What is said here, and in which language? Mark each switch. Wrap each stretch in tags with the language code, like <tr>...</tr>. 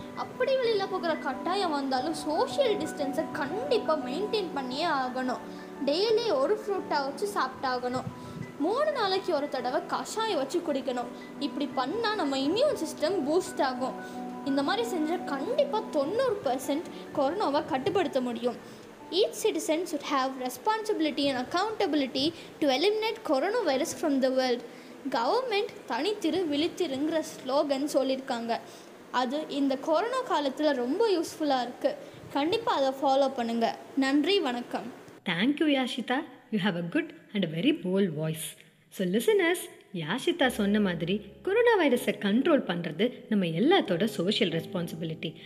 <ta>அப்படி வெளியில் போகிற கட்டாயம் வந்தாலும் சோஷியல் டிஸ்டன்ஸை கண்டிப்பாக மெயின்டைன் பண்ணியே ஆகணும். டெய்லி ஒரு ஃப்ரூட்டாக வச்சு சாப்பிட்டாகணும். 3 நாளைக்கு ஒரு தடவை கஷாயம் வச்சு குடிக்கணும். இப்படி பண்ணால் நம்ம இம்யூன் சிஸ்டம் பூஸ்ட் ஆகும். இந்த மாதிரி செஞ்சால் கண்டிப்பாக 90% கொரோனாவை கட்டுப்படுத்த முடியும்.</ta> <en>Each citizen should have responsibility and accountability to eliminate coronavirus from the world.</en> <ta>Government தனித்திரு விழித்திருங்கிற slogan சொல்லியிருக்காங்க. அது இந்த கொரோனா காலத்தில் ரொம்ப யூஸ்ஃபுல்லாக இருக்குது. கண்டிப்பாக அதை ஃபாலோ பண்ணுங்க. நன்றி, வணக்கம்.</ta> <en>Thank you Yashita, you have a good and a very bold voice.</en> <ta>So listeners, Yashita சொன்ன மாதிரி கொரோனா வைரஸை கண்ட்ரோல் பண்ணுறது நம்ம எல்லாத்தோட சோஷியல் ரெஸ்பான்சிபிலிட்டி.</ta>